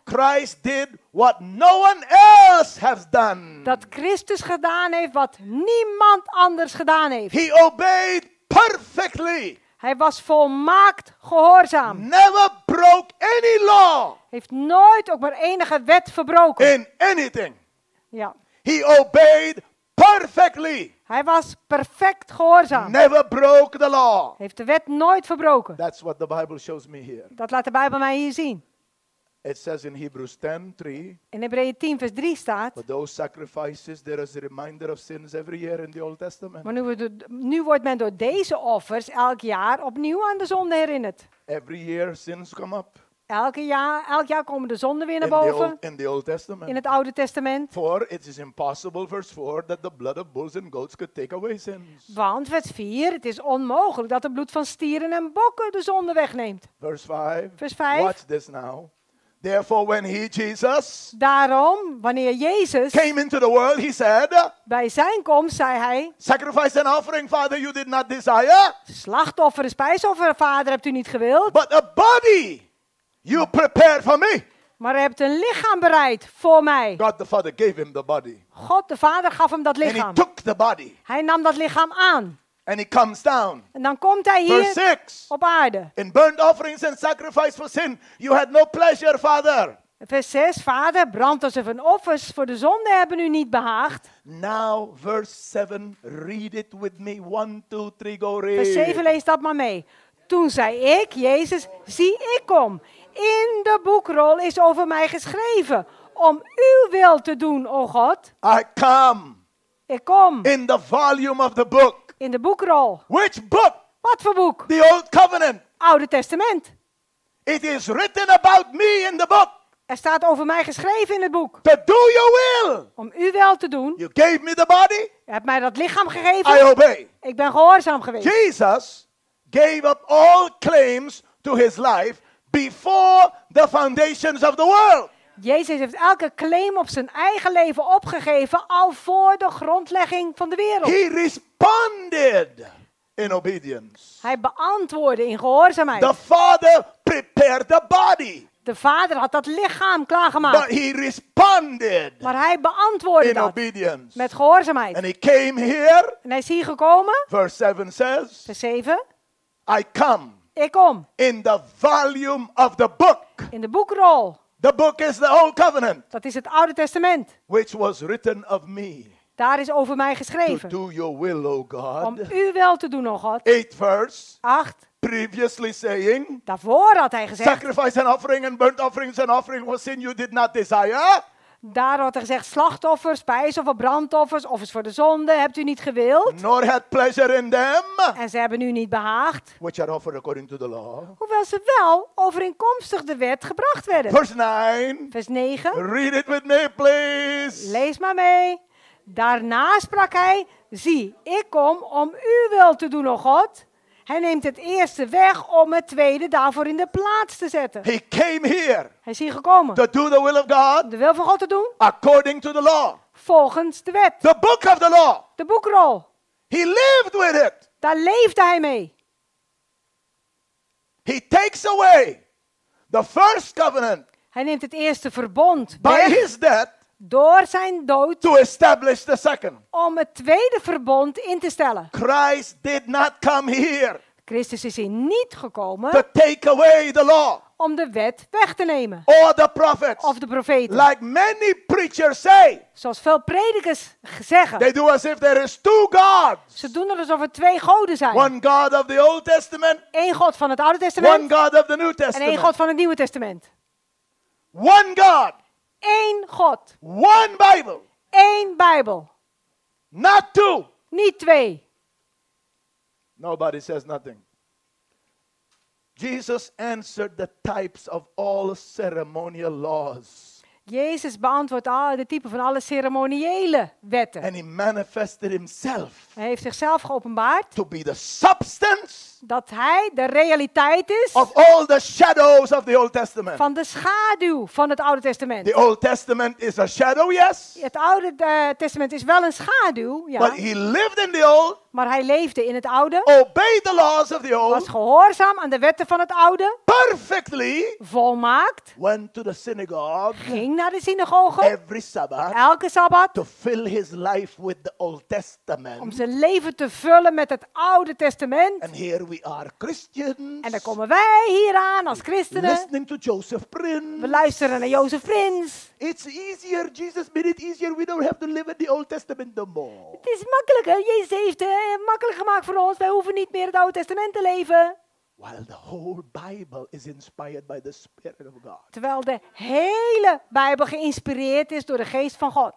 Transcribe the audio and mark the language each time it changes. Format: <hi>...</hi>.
<en>Christ did what no one else has done.</en> <nl>Dat Christus gedaan heeft wat niemand anders gedaan heeft.</nl> <en>He obeyed perfectly.</en> <nl>Hij was volmaakt gehoorzaam.</nl> <en>Never broke any law.</en> <nl>Heeft nooit ook maar enige wet verbroken.</nl> <en>In anything.</en> <nl>Ja.</nl> <en>He obeyed perfectly.</en> <nl>Hij was perfect gehoorzaam.</nl> <en>Never broke the law.</en> <nl>Heeft de wet nooit verbroken.</nl> <en>That's what the Bible shows me here.</en> <nl>Dat laat de Bijbel mij hier zien.</nl> <en>It says in Hebrews 10, 3.</en> <nl>In Hebreeën 10, vers 3 staat.</nl> <en>For those sacrifices, there is a reminder of sins every year in the Old Testament.</en> <nl>Maar nu wordt men door deze offers elk jaar opnieuw aan de zonde herinnerd.</nl> <en>Every year sins come up.</en> <nl>Elk jaar komen de zonden weer naar boven. In het Oude Testament.</nl> <en>For it is impossible, verse 4, that the blood of bulls and goats could take away sins.</en> <nl>Want vers 4, het is onmogelijk dat het bloed van stieren en bokken de zonde wegneemt. Vers 5.</nl> <en>Watch this now. Therefore, when he Jesus.</en> <nl>Daarom, wanneer Jezus.</nl> <en>Came into the world, he said.</en> <nl>Bij zijn komst zei hij.</nl> <en>Sacrifice and offering, Father, you did not desire.</en> <nl>Slachtoffer, spijsoffer, Vader, hebt u niet gewild.</nl> <en>But a body. You prepared for me.</en> <nl>Maar hij hebt een lichaam bereid voor mij.</nl> <en>God the Father gave him the body.</en> <nl>God de Vader gaf hem dat lichaam.</nl> <en>And he took the body.</en> <nl>Hij nam dat lichaam aan.</nl> <en>And he comes down.</en> <nl>En dan komt hij hier.</nl> <en>Verse 6.</en> <nl>Op aarde.</nl> <en>In burnt offerings and sacrifice for sin, you had no pleasure, Father.</en> <nl>Vers 6. Vader, brandoffers en offers voor de zonde hebben u niet behaagd.</nl> <en>Now verse 7. Read it with me. 1, 2, 3, go read.</en> <nl>Vers 7, lees dat maar mee. Toen zei ik, Jezus, zie ik kom. In de boekrol is over mij geschreven. Om uw wil te doen, o God.</nl> <en>I come.</en> <nl>Ik kom.</nl> <en>In the volume of the book.</en> <nl>In de boekrol.</nl> <en>Which book?</en> <nl>Wat voor boek?</nl> <en>The Old Covenant.</en> <nl>Oude Testament.</nl> <en>It is written about me in the book.</en> <nl>Er staat over mij geschreven in het boek.</nl> <en>To do your will.</en> <nl>Om uw wil te doen.</nl> <en>You gave me the body.</en> <nl>Je hebt mij dat lichaam gegeven.</nl> <en>I obey.</en> <nl>Ik ben gehoorzaam geweest.</nl> <en>Jesus gave up all claims to his life. Before the foundations of the world.</en> <nl>Jezus heeft elke claim op zijn eigen leven opgegeven al voor de grondlegging van de wereld.</nl> <en>He responded in obedience.</en> <nl>Hij beantwoordde in gehoorzaamheid.</nl> <en>The Father prepared the body.</en> <nl>De Vader had dat lichaam klaargemaakt.</nl> <en>But he responded.</en> <nl>Maar hij beantwoordde</nl> <en>in obedience.</en> <nl>Met gehoorzaamheid.</nl> <en>And he came here.</en> <nl>En hij is hier gekomen.</nl> <en>Verse 7 says.</en> <nl>Vers 7.</nl> <en>I come.</en> <nl>Ik kom.</nl> <en>In the volume of the book.</en> <nl>In de boekrol.</nl> <en>The book is the Old Covenant.</en> <nl>Dat is het Oude Testament.</nl> <en>Which was written of me.</en> <nl>Daar is over mij geschreven.</nl> <en>To do your will, O God.</en> <nl>Om uw wil te doen, O God.</nl> <en>8 verse.</en> <nl>8.</nl> <en>Previously saying.</en> <nl>Daarvoor had hij gezegd.</nl> <en>Sacrifice and offering and burnt offerings and offering for sin you did not desire.</en> <nl>Daar had hij gezegd, slachtoffers, spijsoffers, brandoffers, offers voor de zonde, hebt u niet gewild.</nl> <en>Nor had pleasure in them.</en> <nl>En ze hebben u niet behaagd.</nl> <en>Which are offered according to the law.</en> <nl>Hoewel ze wel overeenkomstig de wet gebracht werden.</nl> <en>Verse 9.</en> <nl>Vers 9.</nl> <en>Read it with me, please.</en> <nl>Lees maar mee. Daarna sprak hij, zie, ik kom om uw wil te doen, o God. Hij neemt het eerste weg om het tweede daarvoor in de plaats te zetten.</nl> <en>He came here.</en> <nl>Hij is hier gekomen.</nl> <en>To do the will of God.</en> <nl>De wil van God te doen.</nl> <en>According to the law.</en> <nl>Volgens de wet.</nl> <en>The book of the law.</en> <nl>De boekrol.</nl> <en>He lived with it.</en> <nl>Daar leefde hij mee.</nl> <en>He takes away the first covenant.</en> <nl>Hij neemt het eerste verbond weg.</nl> <en>By his death.</en> <nl>Door zijn dood.</nl> <en>To establish the second.</en> <nl>Om het tweede verbond in te stellen.</nl> <en>Christ did not come here.</en> <nl>Christus is hier niet gekomen.</nl> <en>To take away the law.</en> <nl>Om de wet weg te nemen.</nl> <en>Or the prophets.</en> <nl>Of de profeten.</nl> <en>Like many preachers say.</en> <nl>Zoals veel predikers zeggen.</nl> <en>They do as if there is two gods.</en> <nl>Ze doen er alsof er twee goden zijn.</nl> <en>One God of the Old Testament.</en> <nl>Eén God van het Oude Testament.</nl> <en>One God of the New Testament.</en> <nl>En één God van het Nieuwe Testament.</nl> <en>One God.</en> <nl>Eén God.</nl> <en>One Bible.</en> <nl>Eén Bijbel.</nl> <en>Not two.</en> <nl>Niet twee.</nl> <en>Nobody says nothing. Jesus answered the types of all ceremonial laws.</en> <nl>Jezus beantwoordt de typen van alle ceremoniële wetten.</nl> <en>And he manifested himself.</en> <nl>Hij heeft zichzelf geopenbaard.</nl> <en>To be the substance.</en> <nl>Dat hij de realiteit is.</nl> <en>Of all the shadows of the Old Testament.</en> <nl>Van de schaduw van het Oude Testament.</nl> <en>The Old Testament is a shadow, yes.</en> <nl>Het Oude Testament is wel een schaduw, ja.</nl> <en>But he lived in the old.</en> <nl>Maar hij leefde in het oude.</nl> <en>Obeyed the laws of the old.</en> <nl>Was gehoorzaam aan de wetten van het oude.</nl> <en>Perfectly.</en> <nl>Volmaakt.</nl> <en>Went to the synagogue.</en> <nl>Ging naar de synagoge.</nl> <en>Every Sabbath.</en> <nl>Elke Sabbat.</nl> <en>To fill his life with the Old Testament.</en> <nl>Om zijn leven te vullen met het Oude Testament.</nl> <en>And here we are Christians.</en> <nl>En dan komen wij hier aan als christenen.</nl> <en>Listening to Joseph Prince.</en> <nl>We luisteren naar Joseph Prince.</nl> <en>It's easier. Jesus made it easier. We don't have to live in the Old Testament no more.</en> <nl>Het is makkelijker. Jezus heeft makkelijk gemaakt voor ons. Wij hoeven niet meer het Oude Testament te leven.</nl> <en>While the whole Bible is inspired by the Spirit of God.</en> <nl>Terwijl de hele Bijbel geïnspireerd is door de Geest van God.</nl>